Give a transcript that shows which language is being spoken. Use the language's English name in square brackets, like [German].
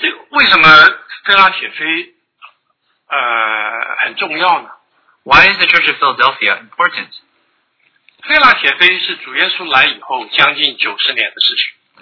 [Chinese] 为什么菲拉铁菲很重要呢? [English] Why is the Church of Philadelphia important? [Chinese] 菲拉铁菲是主耶稣来以后将近90年的事情。